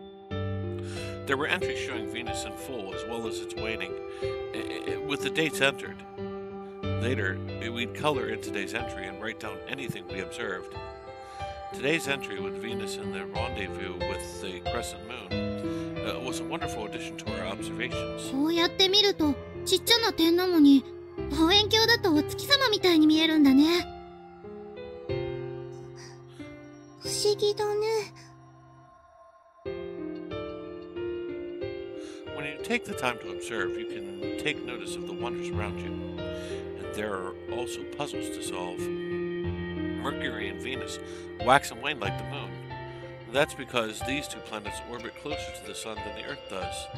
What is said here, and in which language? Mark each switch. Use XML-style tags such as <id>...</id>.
<en>There were entries showing Venus in full as well as its waning, with the dates entered. Later, we'd color in today's entry and write down anything we observed. Today's entry with Venus in the rendezvous with the crescent moon was a wonderful addition to our observations.</en> <ja>こうやって見ると、ちっちゃな天の門に望遠鏡だとお月様みたいに見えるんだね。不思議だね。</ja> <en>When you take the time to observe, you can take notice of the wonders around you. And there are also puzzles to solve. Mercury and Venus wax and wane like the moon. That's because these two planets orbit closer to the sun than the Earth does.</en>